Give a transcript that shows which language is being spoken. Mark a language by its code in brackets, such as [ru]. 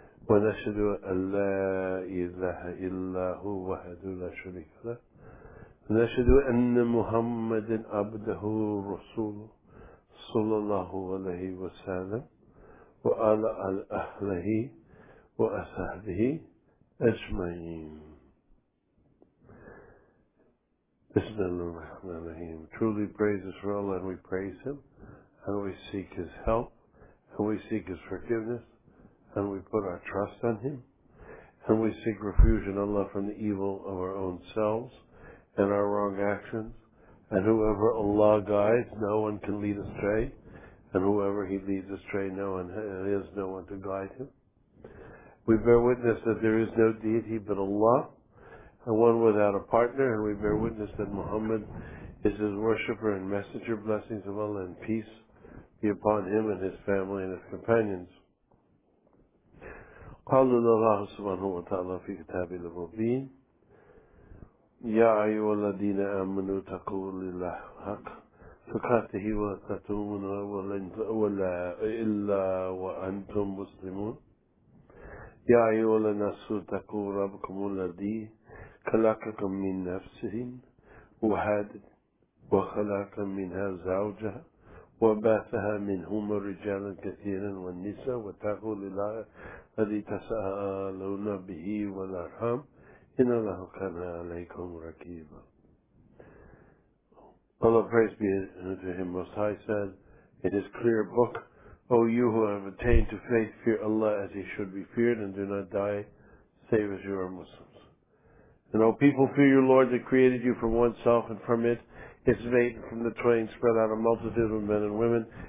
[ar] ونشهد ان لا اله الا هو وحده لا شريك له ونشهد ان محمدا عبده ورسوله صلى الله عليه وسلم وعلى اهله واصحابه اجمعين. بسم الله الرحمن الرحيم. [en] Truly praise Israel, and we praise him, and we seek his help, and we seek his forgiveness, and we put our trust on him, and we seek refuge and Allah from the evil of our own selves and our wrong actions. And whoever Allah guides, no one can lead astray, and whoever he leads astray, no one has no one to guide him. We bear witness that there is no deity but Allah, and one without a partner, and we bear witness that Muhammad is his worshiper and messenger. Blessings of Allah and peace be upon him and his family and his companions. [ar] قال الله سبحانه وتعالى في كتابه المبين يا أيها الذين آمنوا اتقوا الله حق تقاته ولا تموتن إلا وأنتم مسلمون يا أيها الناس اتقوا ربكم الذي خلقكم من نفس واحدة وخلق منها زوجها وبعثها منهما رجالا كثيرا والنساء واتقوا الله الذي تساءلون به والأرحام إن الله كان عليكم رقيبا. [en] Allah, praise be unto him, Most High, said in his clear book, O you who have attained to faith, fear Allah as he should be feared, and do not die save as you are Muslims. And O people, fear your Lord that created you from one self, and from it his mate, and from the twain spread out a multitude of men and women.